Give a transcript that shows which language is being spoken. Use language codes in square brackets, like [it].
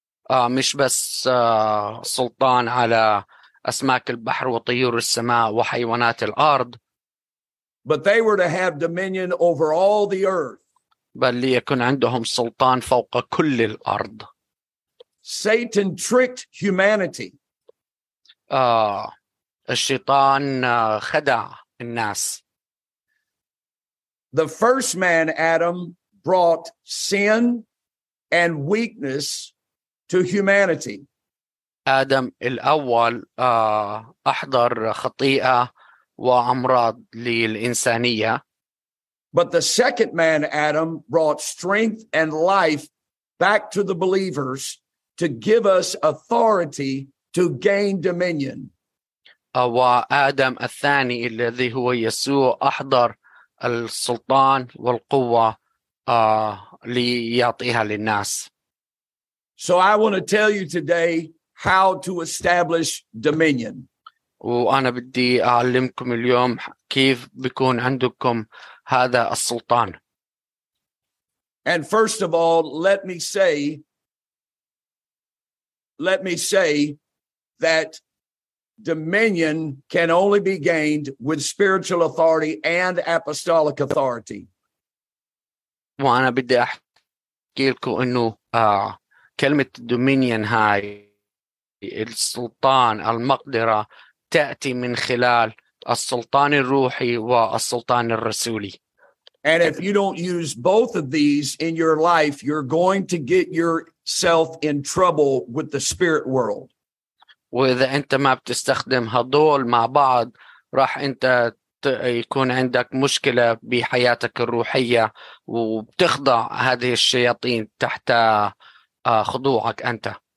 [ar] مش بس سلطان على أسماك البحر وطيور السماء وحيوانات الأرض. [en] But they were to have dominion over all the earth. [ar] بل ليكن عندهم سلطان فوق كل الأرض. [en] Satan tricked humanity. [ar] الشيطان خدع الناس. [en] The first man, Adam, brought sin and weakness to humanity. [ar] آدم الأول أحضر خطيئة وأمراض للإنسانية. [en] But the second man, Adam, brought strength and life back to the believers to give us authority to gain dominion. [ar] وآدم الثاني الذي هو يسوع أحضر السلطان والقوة ليعطيها للناس. [en] So I want to tell you today how to establish dominion. [ar] وأنا بدي أعلمكم اليوم كيف بيكون عندكم هذا السلطان. [en] And first of all, let me say that dominion can only be gained with spiritual authority and apostolic authority. [ar] وأنا بدي أحكي لكم إنه كلمة دومينيون هاي السلطان المقدرة تأتي من خلال السلطان الروحي والسلطان الرسولي. [en] And if you don't use both of these in your life, you're going to get yourself in trouble with the spirit world. [ar] وإذا أنت ما بتستخدم هذول مع بعض راح أنت يكون عندك مشكلة بحياتك الروحية وبتخضع هذه الشياطين تحت خضوعك أنت.